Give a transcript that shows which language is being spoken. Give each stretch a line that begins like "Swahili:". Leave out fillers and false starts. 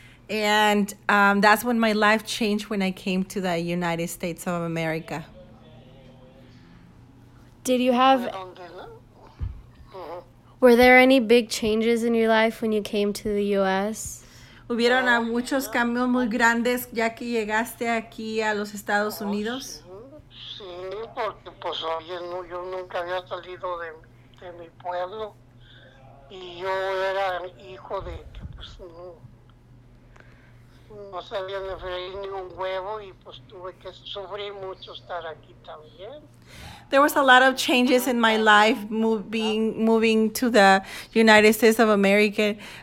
English: And that's when my life changed, when I came to the United States of America. Did you have... Were there any big changes in your life when you came to the U.S.?
Spanish: ¿Hubieron muchos cambios muy grandes ya que llegaste aquí a los Estados Unidos? Sí, porque pues oye, no, yo nunca había salido de mi pueblo y yo era hijo de que pues no sabía ni freír ni un huevo y pues tuve que sufrir mucho estar aquí también.
English: There was a lot of changes in my life moving to the United States of America.